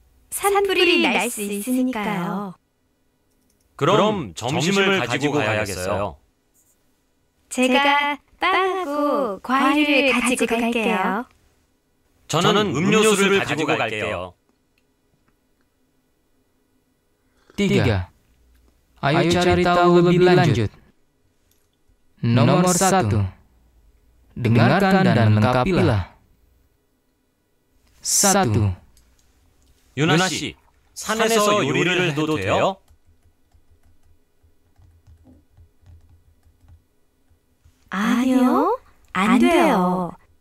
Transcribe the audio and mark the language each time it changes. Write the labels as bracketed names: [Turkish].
[Korean] 산불이 날 수 있으니까요. 그럼 점심을 가지고 가야겠어요. 제가 빵하고 과일을 가지고 갈게요. 저는 음료수를 가지고 갈게요. 3. [Indonesian] Ayo cari tahu lebih lanjut. Nomor 1. Dengarkan dan lengkapilah. 1. [Korean] 유나 씨, 산에서 요리를 해도 돼요? 아니요, 안 돼요.